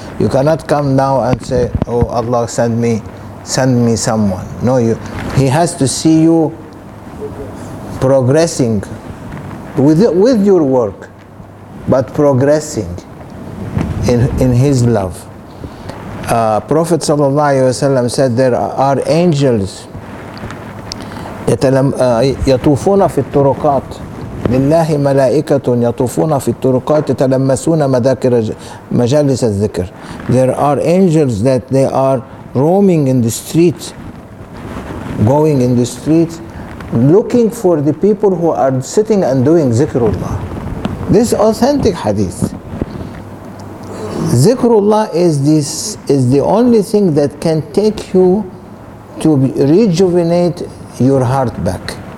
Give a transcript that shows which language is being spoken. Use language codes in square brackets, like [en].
[en] You cannot come now and say, oh Allah, send me someone. No, he has to see you progressing with your work, but progressing in his love. Prophet sallallahu alaihi wasallam said there are angels [ar] يطوفون في الطرقات لله ملائكة يطوفون في الطرقات يتلمسون مذاكر مجالس الذكر. [en] There are angels that they are roaming in the streets, going in the streets, looking for the people who are sitting and doing zikrullah. This authentic hadith. Zikrullah is the only thing that can take you to rejuvenate your heart back.